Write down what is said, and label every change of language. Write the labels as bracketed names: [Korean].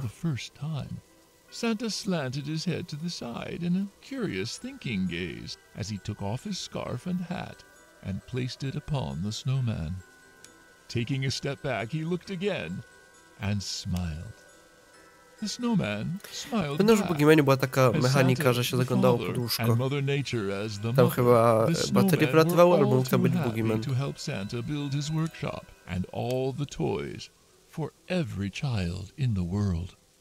[English] For the first time, Santa slanted his head to the side in a curious thinking gaze as he took off his scarf and hat and placed it upon the snowman. Taking a step back, he looked again and smiled. The snowman smiled. [Polish] Pamiętam, że w Bugimaniu była taka mechanika, że się zaglądało pod łóżko. Tam chyba baterie pratywały, albo mógł tam być Bugiman. [English] To help Santa build his workshop and all the toys for every child in the world.